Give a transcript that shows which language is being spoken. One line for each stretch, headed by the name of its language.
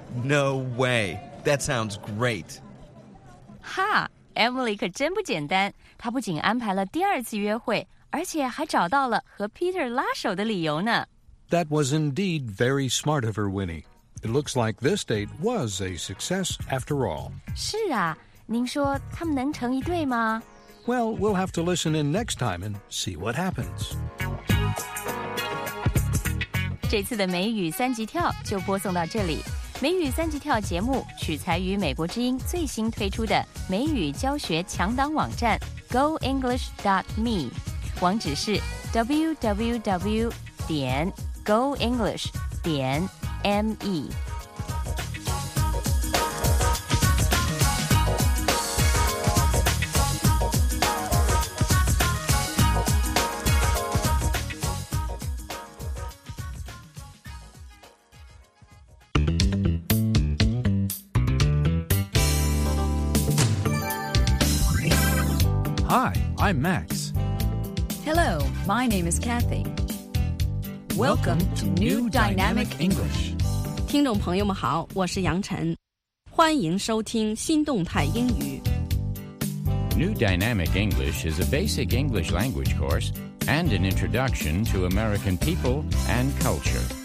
English: No way! That sounds great!
Chinese: Ha! Emily 可真不简单，她不仅安排了第二次约会，而且还找到了和 Peter 拉手的理由呢。
English: That was indeed very smart of her, Winnie. It looks like this date was a success after all.
Chinese: 是啊，您说他们能成一对吗
English: ？Well, we'll have to listen in next time and see what happens.
Chinese: 这次的美语三级跳就播送到这里。美语三级跳节目取材于美国之音最新推出的美语教学强档网站 goenglish.me， 网址是 www.goenglish.me。
English: Hi, I'm Max. Hello, my name is Kathy. Welcome to New Dynamic English.
Chinese: 听众朋友们好，我是杨晨，欢迎收听新动态英语。
English: New Dynamic English is a basic English language course and an introduction to American people and culture.